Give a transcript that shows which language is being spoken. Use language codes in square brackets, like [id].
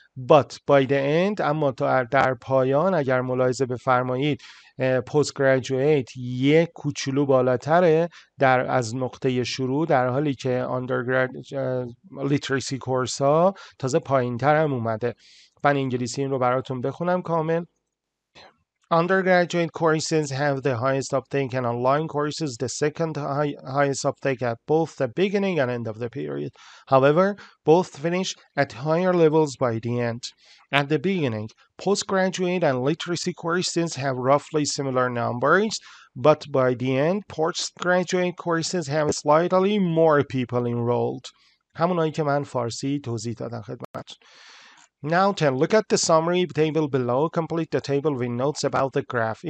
[en] But by the end، [fa] اما در پایان اگر ملاحظه بفرمایید postgraduate یک کوچولو بالاتره در از نقطه شروع، در حالی که literacy course ها تازه پایین تر هم اومده. من انگلیسی این رو براتون بخونم کامل. [en] Undergraduate courses have the highest uptake and online courses the second highest uptake at both the beginning and end of the period. However, both finish at higher levels by the end. At the beginning, postgraduate and literacy courses have roughly similar numbers, but by the end, postgraduate courses have slightly more people enrolled. [fa] همونایی که من فارسی توضیح دادم خدمت. [en] Now, 10. Look at the summary table below. Complete the table with notes about the graph.